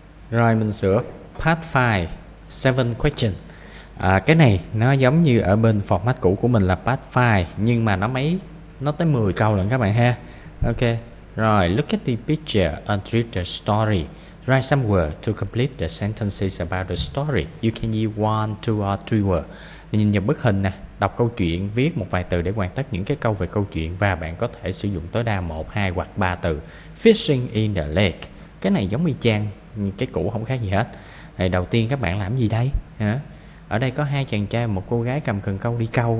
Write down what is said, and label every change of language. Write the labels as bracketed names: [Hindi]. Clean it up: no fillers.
[Vietnamese] Rồi mình sửa part 5, 7 question. Cái này nó giống như ở bên format cũ của mình là part 5, nhưng mà nó tới 10 câu lận các bạn ha. Ok. [English] Rồi, look at the picture and read the story. Write some words to complete the sentences about the story. You can use one, two or three words. [Vietnamese] Nhìn vào bức hình nè, đọc câu chuyện, viết một vài từ để hoàn tất những cái câu về câu chuyện, và bạn có thể sử dụng tối đa 1, 2 hoặc 3 từ. [English] Fishing in the lake. [Vietnamese] Cái này giống y chang, cái cũ không khác gì hết. Thì đầu tiên các bạn làm gì đây? Hả? Ở đây có hai chàng trai, một cô gái cầm cần câu đi câu.